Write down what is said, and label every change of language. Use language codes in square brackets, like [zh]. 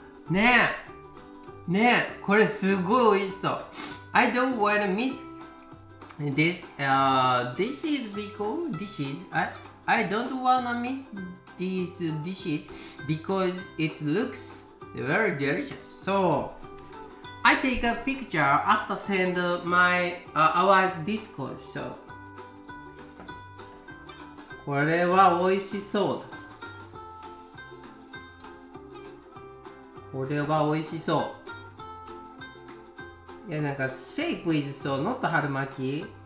[ja] ねえねえ、これすごい美味しそう。 [en] I don't want to miss this this is because dishes I don't want to miss these dishes because it looks very delicious. So I take a picture after send my our Discord. [ja] So これは美味しそうだ。これは美味しそう。いや、なんか [en] シェイプイズソーノット [ja] 春巻き。